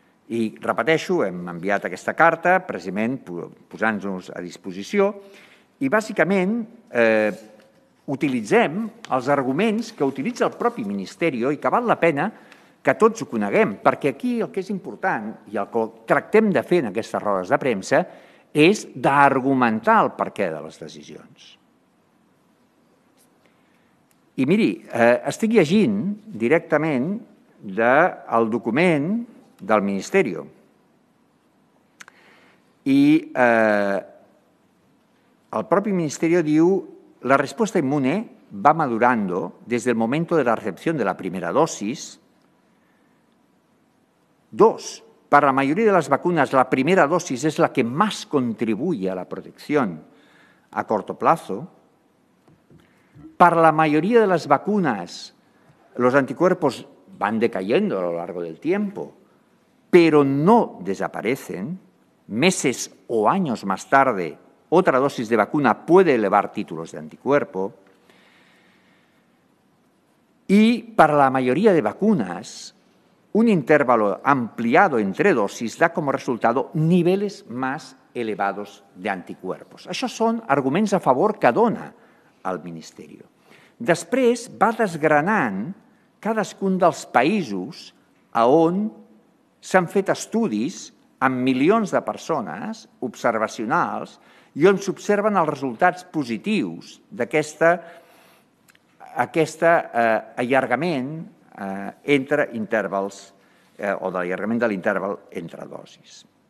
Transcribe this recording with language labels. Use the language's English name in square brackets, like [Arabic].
[Catalan] I, repeteixo, hem enviat aquesta carta, precisament posant-nos a disposició, i, bàsicament, utilitzem els arguments que utilitza el propi Ministeri i que val la pena que tots ho coneguem, perquè aquí el que és important i el que tractem de fer en aquestes rodes de premsa és d'argumentar el perquè de les decisions. I miri, estic llegint directament del document del Ministeri i el propi Ministeri diu: [Spanish] la resposta inmune va madurando desde el momento de la recepción de la primera dosis. Dos, para la mayoría de las vacunas, la primera dosis es la que más contribuye a la protección a corto plazo. Para la mayoría de las vacunas, los anticuerpos van decayendo a lo largo del tiempo, pero no desaparecen. Meses o años más tarde, otra dosis de vacuna puede elevar títulos de anticuerpo. Y para la mayoría de vacunas, un intervalo ampliado entre dosis da como resultado niveles más elevados de anticuerpos. [Catalan] Això són arguments a favor que dona el Ministeri. Després va desgranant cadascun dels països a on s'han fet estudis amb milions de persones observacionals i on s'observen els resultats positius d'aquest allargament entre intervals o de l'allargament de l'interval entre dosis.